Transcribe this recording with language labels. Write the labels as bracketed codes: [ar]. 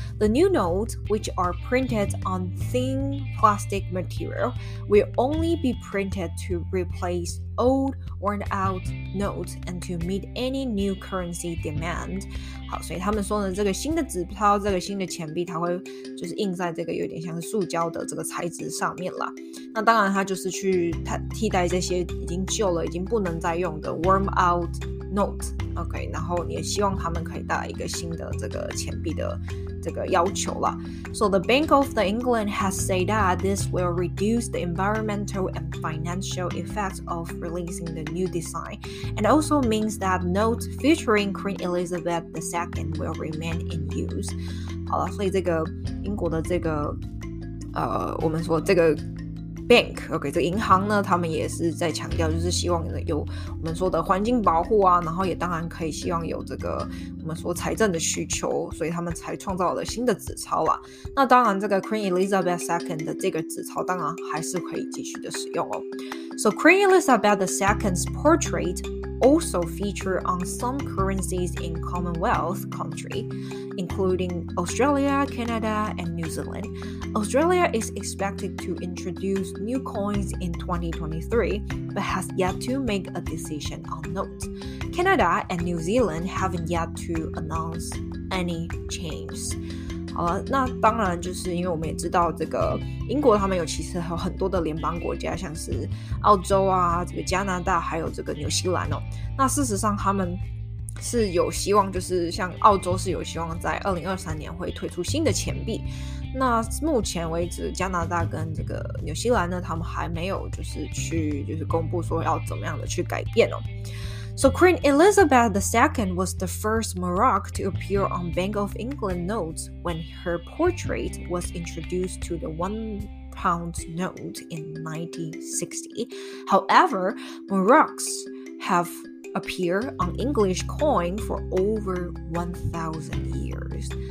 [en] The new notes, which are printed on thin plastic material, will only be printed to replace old worn out notes and to meet any new currency demand. [zh] 好，所以他们说呢，这个新的纸钞，这个新的钱币，它会就是印在这个有点像塑胶的这个材质上面啦。那当然它就是去替代这些已经旧了，已经不能再用的 [en] worn out note. [zh] OK， 然后也希望他们可以带来一个新的这个钱币的这个要求啦。 [en] So the Bank of the England has said that this will reduce the environmental and financial effects of releasing the new design, and also means that notes featuring Queen Elizabeth II will remain in use. [zh] 好了，所以这个英国的这个我们说这个 bank， OK， 这个银行呢，他们也是在强调，就是希望有我们说的环境保护啊，然后也当然可以希望有这个我们说财政的需求，所以他们才创造了新的纸钞啦。那当然这个 Queen Elizabeth II 的这个纸钞当然还是可以继续的使用哦。 [en] So Queen Elizabeth II's portrait also feature on some currencies in Commonwealth country, including Australia, Canada, and New Zealand. Australia is expected to introduce new coins in 2023, but has yet to make a decision on note. Canada and New Zealand haven't yet to announce any change. [zh] 好了，那当然就是因为我们也知道这个英国他们有其实有很多的联邦国家，像是澳洲啊，这个加拿大，还有这个纽西兰哦。那事实上他们是有希望，就是像澳洲是有希望在2023年会推出新的钱币。那目前为止加拿大跟这个纽西兰呢，他们还没有就是公布说要怎么样的去改变哦。 [en] So Queen Elizabeth II was the first Maroc to appear on Bank of England notes when her portrait was introduced to the £1 note in 1960. However, Marocs have appeared on English coin for over 1,000 years.